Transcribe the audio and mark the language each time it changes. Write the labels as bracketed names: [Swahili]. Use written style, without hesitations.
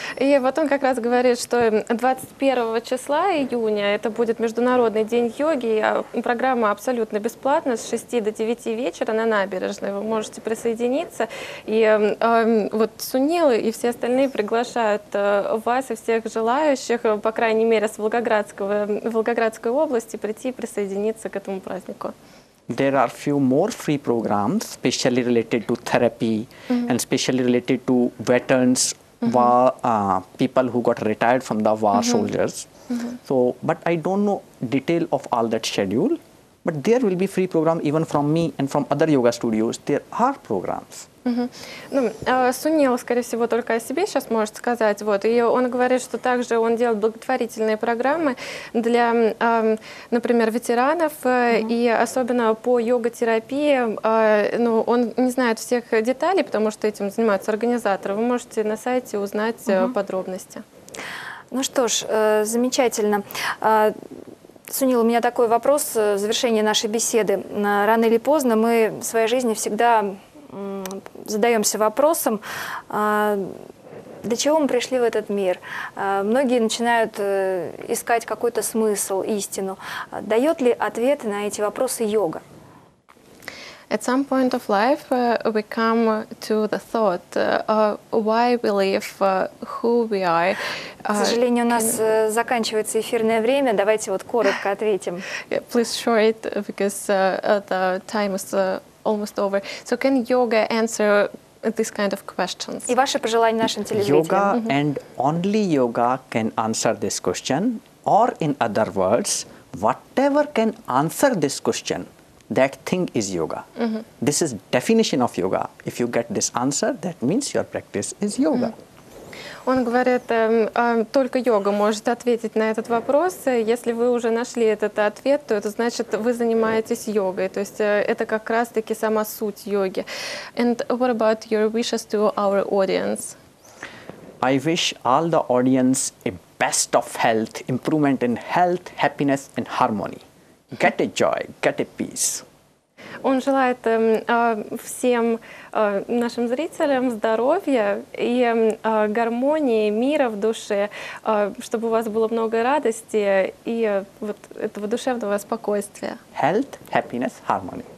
[Russian] И вот он как раз говорит, что 21 числа июня это будет Международный день йоги, а программа абсолютно бесплатна с 6 до 9 вечера на набережной. Вы можете присоединиться. И вот Сунил и все остальные приглашают вас и всех желающих, по крайней мере, с Волгоградской области, прийти и присоединиться к этому празднику. [English] There are few more free programs, specially related to therapy and specially related to veterans. People who got retired from the war soldiers. So, but I don't know detail of all that schedule. But there will be free program even from me and from other yoga studios. There are programs. [Russian] Ну, Сунил, скорее всего, только о себе сейчас может сказать. Вот. И он говорит, что также он делает благотворительные программы для, например, ветеранов, и особенно по йога-терапии. Ну, он не знает всех деталей, потому что этим занимаются организаторы. Вы можете на сайте узнать подробности. Ну что ж, замечательно. Сунил, у меня такой вопрос в завершении нашей беседы. Рано или поздно мы в своей жизни всегда... задаемся вопросом, для чего мы пришли в этот мир. Многие начинают искать какой-то смысл, истину. Дает ли ответы на эти вопросы йога? [English] At some point of life, we come to the thought, why we live, who we are. [Russian] К сожалению, у нас заканчивается эфирное время. Давайте вот коротко ответим. [English] Please short, because the time is almost over. So can yoga answer this kind of questions? [Russian] И ваши пожелания нашим телезрителям. [English] Yoga and only yoga can answer this question. Or in other words, whatever can answer this question, that thing is yoga. Mm-hmm. This is definition of yoga. If you get this answer, that means your practice is yoga. Mm-hmm. [Russian] Он говорит, только йога может ответить на этот вопрос. Если вы уже нашли этот ответ, то это значит, вы занимаетесь йогой. То есть это как раз-таки сама суть йоги. [English] And what about your wishes to our audience? I wish all the audience a best of health, improvement in health, happiness and harmony. Get a joy, get a peace. [Russian] Он желает всем нашим зрителям здоровья и гармонии, мира в душе, чтобы у вас было много радости и вот этого душевного спокойствия. [English] Health, happiness, harmony.